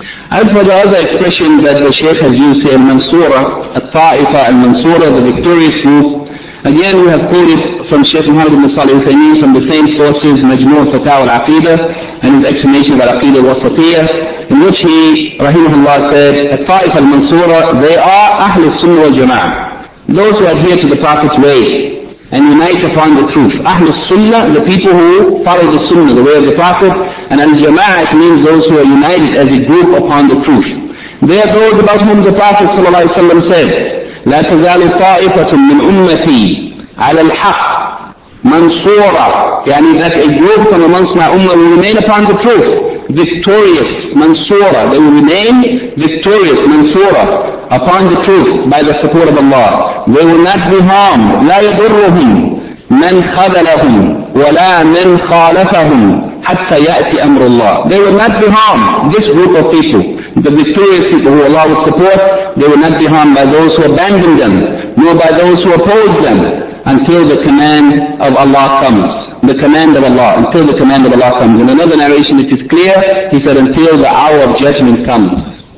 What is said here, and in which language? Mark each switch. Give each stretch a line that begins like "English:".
English: As for the other expression that the Shaykh has used here, al-Mansura, al-Ta'ifa al-Mansura, the victorious youth, again we have quoted from Shaykh Muhammad ibn Salih al-Uthaymeen from the same sources, Majmu' Fatawa al-Aqidah, and his explanation of al-Aqidah al-Wasatiyah, in which he, rahimahullah, said, al-Ta'ifa al-Mansura, they are Ahlul Sunnah wal-Jama'ah, those who adhere to the Prophet's way and unite upon the truth. Ahlul Sunnah, the people who follow the Sunnah, the way of the Prophet, and al-Jama'ah means those who are united as a group upon the truth. They are those about whom the Prophet ﷺ said,
Arabic: لا تزال طائفة من أمتي على الحق منصورة.
English: يعني that a group from amongst my ummah will remain upon the truth, victorious, منصورة. They will remain victorious, منصورة, upon the truth by the support of Allah. They will not be harmed.
Arabic: لا يضرهم من خذلهم ولا من خالفهم حتى يأتي أمر الله.
English: They will not be harmed, this group of people, the victorious people who Allah will support. They will not be harmed by those who abandon them, nor by those who oppose them, until the command of Allah comes. The command of Allah, until the command of Allah comes. In another narration it is clear, he said, until the hour of judgment comes.